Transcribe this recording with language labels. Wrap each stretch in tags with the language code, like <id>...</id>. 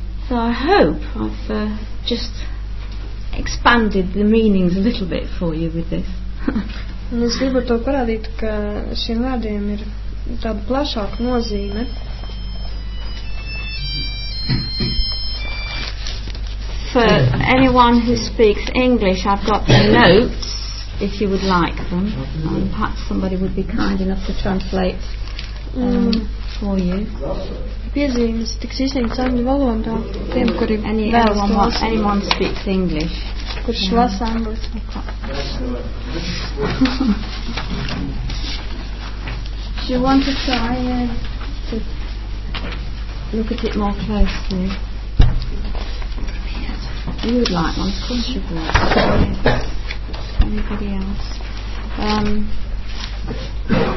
<en>So I hope I've just expanded the meanings a little bit for you with this.</en> <lv>Es gribu to parādīt, ka šiem vārdiem ir tāda plašāka nozīme.</lv> <en>For anyone who speaks English, I've got the notes, if you would like them. And perhaps somebody would be kind enough to translate for you.</en> <lv>Piezīmes tiks izņemts angļu valodā tiem, kuri</lv> <en>anyone speaks English.</en> <lv>Kurš lasa angliski.</lv> <en>Do you want to try to look at it more closely? You would like one, of course you would.</en>